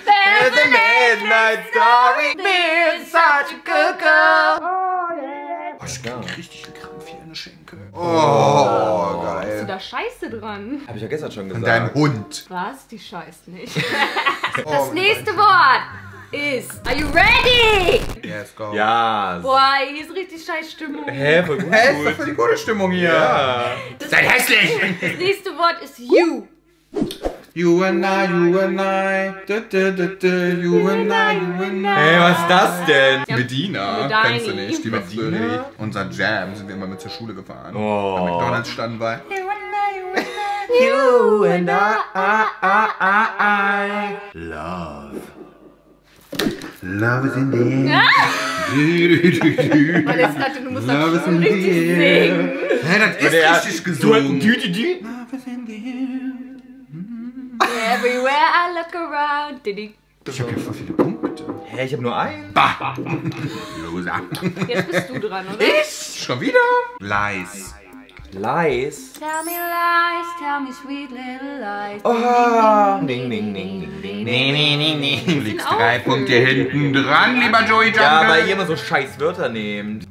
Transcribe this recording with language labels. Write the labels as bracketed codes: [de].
[en] There's a midnight story. Being such a good girl. [de] Ich krieg richtig einen Krampf hier in der Schenkel. Oh, geil. Hast du da Scheiße dran? Hab ich ja gestern schon gesagt. An deinem Hund. Was? Die scheißt nicht. Das nächste Wort ist... [en] Are you ready? Yes, go. [de] Ja. Boah, hier ist richtig scheiß Stimmung. Hä, voll gut. Hä, ist doch für die gute Stimmung hier. Ja. Seid hässlich. Das nächste Wort ist you. [en] You and I, you and I, du, du, du, du, you and I, you and I. [de] Hey, was ist das denn? Ja, Medina, kennst du nicht? Die Medina? Die, unser Jam, sind wir immer mit zur Schule gefahren. Oh. Bei McDonald's standen wir. [en] You and I, you and I. Love. Love is in the air. Du, du, du, du. Love is in the air. [de] Hey, das ist richtig gesungen. Du, du, du. [en] Love is in the air. Everywhere I look around, diddy. [de] Ich hab hier voll viele Punkte. Hä, ich hab nur einen? Bah! Bah, bah, bah. Loser. Jetzt bist du dran, oder? Ich? Schon wieder? Lies. Lies? [en] Tell me lies, tell me sweet little lies. Oh! Ding, ding, ding, ding, ding, ding, ding, ding. [de] Du liegst drei Punkte hinten dran, lieber Joey Jungle. Ja, weil ihr immer so scheiß Wörter nehmt.